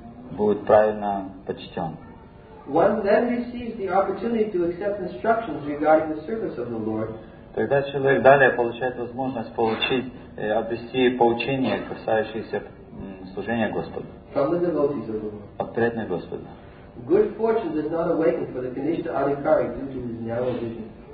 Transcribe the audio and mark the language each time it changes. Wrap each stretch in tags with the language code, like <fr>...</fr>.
<ru>Будет правильно почтен.</ru> <en>One then receives the opportunity to accept instructions regarding the service of the Lord.</en> <ru>Тогда человек далее получает возможность получить, обрести поучение, касающееся служения Господу.</ru> <en>From the devotees of the Lord.</en> <ru>От преданных Господа.</ru> <en>Good fortune does not awaken for the Kanishta Adhikari due to his narrow vision.</en>